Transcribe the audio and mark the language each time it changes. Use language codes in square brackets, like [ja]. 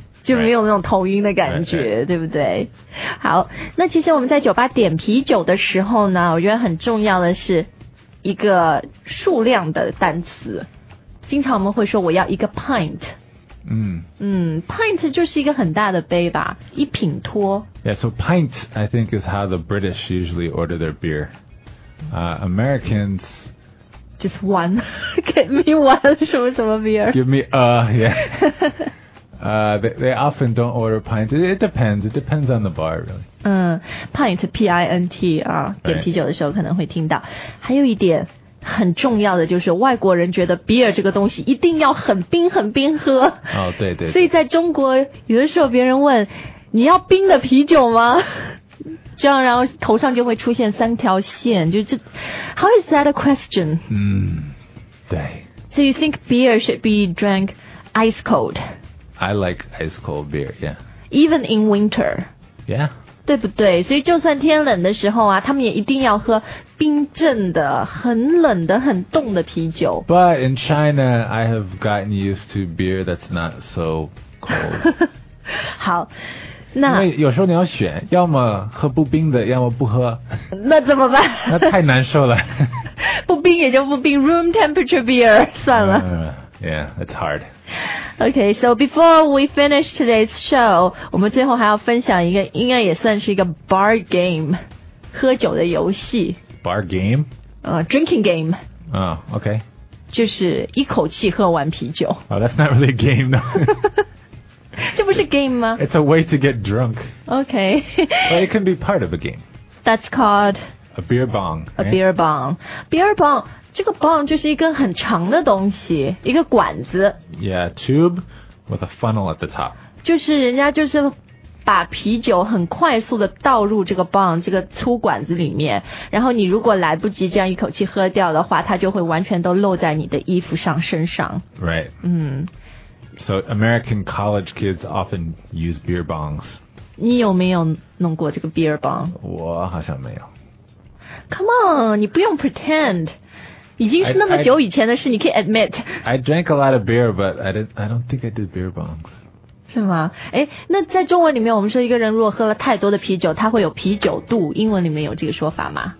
[zh] 就没有那种头晕的感觉 [en] right, right. [zh] 对不对好那其实我们在酒吧点啤酒的时候呢我觉得很重要的是一个数量的单词，经常我们会说我要一个 pint。 Pint 就是一个很大的杯吧，一品托。 [en] Yeah, so pint, I think, is how the British usually order their beer. Americans... Just one. Give me one, [zh] 什么什么 [en] beer. Give me a, yeah. they often don't order pints. It depends. It depends on the bar, really. [zh] Pint, P-I-N-T, 啊、点啤酒的时候可能会听到。还有一点很重要的就是外国人觉得 beer 这个东西一定要很冰很冰喝。哦、oh, 对, 对对。所以在中国有的时候别人问你要冰的啤酒吗，这样然后头上就会出现三条线，就是 [en] How is that a question? [zh] 嗯、对。 [en] So you think beer should be drank ice cold? I like ice cold beer, yeah. Even in winter? Yeah. [zh] 对不对？所以就算天冷的时候啊，他们也一定要喝冰镇的、很冷的、很冻的啤酒。 [en] But in China, I have gotten used to beer that's not so cold. [zh] 好，那因为有时候你要选，要么喝不冰的，要么不喝。那怎么办？那太难受了。不冰也就不冰 ， [en] room temperature beer [zh] 算了。 [en] Yeah, it's hard. Okay, so before we finish today's show, [zh] 我们最后还要分享一个应该也算是一个 bar game, 喝酒的游戏。 [en] Bar game? Drinking game. Oh, okay. [zh] 就是一口气喝完啤酒。 [en] Oh, that's not really a game, though. [zh] 这不是 game 吗？ [en] It's a way to get drunk. Okay. But it can be part of a game. That's called... A beer bong. A beer bong. Beer bong... [zh] 这个 bong 就是一个很长的东西，一个管子。 [en] Yeah, tube with a funnel at the top. [zh] 就是人家就是把啤酒很快速的倒入这个 bong 这个粗管子里面，然后你如果来不及这样一口气喝掉的话，它就会完全都漏在你的衣服上、身上。 [en] Right. 嗯。 So American college kids often use beer bongs. [zh] 你有没有弄过这个 beer bong? 我好像没有。 [en] Come on, [zh] 你不用 pretend. 已经是那么久以前的事 你可以 admit. [en] I drank a lot of beer, but I don't think I did beer bongs. [zh] 是吗？诶，那在中文里面我们说一个人如果喝了太多的啤酒，他会有啤酒肚，英文里面有这个说法吗？